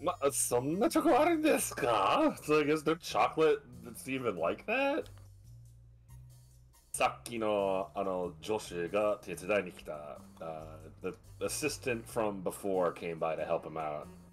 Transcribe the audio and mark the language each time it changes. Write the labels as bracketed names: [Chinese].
[Japanese] そんなチョコあるんですか? [English] It's like, is there chocolate that's even like that? [Japanese] さっきの女子が手伝いに来た [English] The assistant from before came by to help him out.